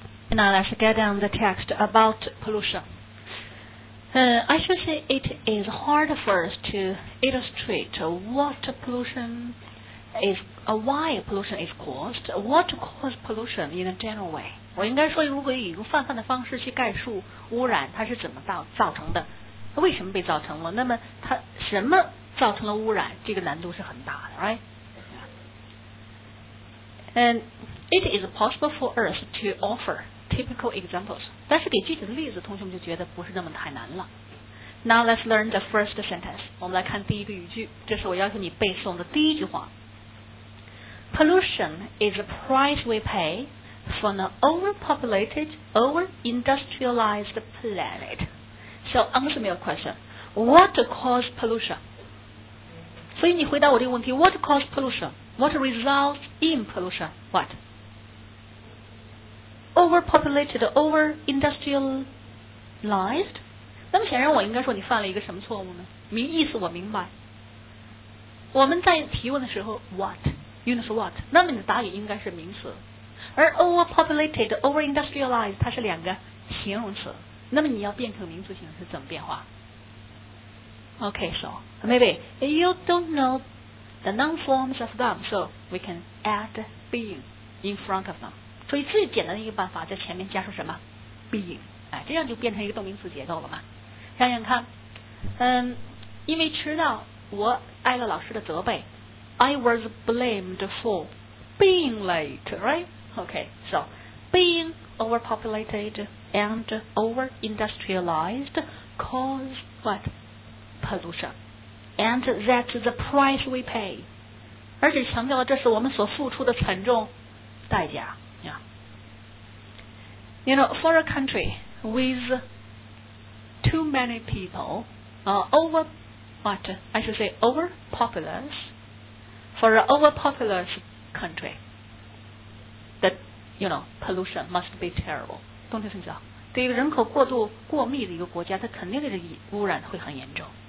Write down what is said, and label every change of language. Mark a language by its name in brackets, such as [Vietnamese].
[English] Now let's get down the text about pollution. I should say it is hard for us to illustrate what pollution is, why pollution is caused, what caused pollution in a general way. [Chinese] 我应该说如果以一个泛泛的方式去概述污染它是怎么造成的，为什么被造成了，那么它什么造成了污染，这个难度是很大的 [English] right? And it is possible for us to offer typical examples. [Chinese] 但是给具体的例子，同学们就觉得不是那么太难了。 [English] Now let's learn the first sentence. [Chinese] 我们来看第一个语句，这是我要求你背诵的第一句话。 [English] Pollution is the price we pay for an overpopulated, overindustrialized planet. So answer me a question. What caused pollution? [Chinese] 所以你回答我这个问题。 [English] What caused pollution? What results in pollution? What? Overpopulated, overindustrialized. [Chinese] 那么显然我应该说你犯了一个什么错误呢？明意思我明白。我们在提问的时候 ，what， 用的是 what， 那么你的答语应该是名词。 [English] 而 overpopulated, overindustrialized [Chinese] 它是两个形容词，那么你要变成名词形式怎么变化 [English] ？Okay, so maybe you don't know the noun forms of them, so we can add being in front of them. [Chinese] 所以最简单的一个办法在前面加上什么 being、哎、这样就变成一个动名词结构了嘛。想想看，因为迟到我挨了老师的责备。 [English] I was blamed for being late, right? Okay, so being overpopulated and overindustrialized caused what? Pollution. And that's the price we pay. [Chinese] 而且强调了这是我们所付出的沉重代价。 [English] You know, for a country with too many people, overpopulous, for an overpopulous country, that, you know, pollution must be terrible. [Chinese] 懂这意思吗？对于人口过度过密的一个国家，它肯定的污染会很严重。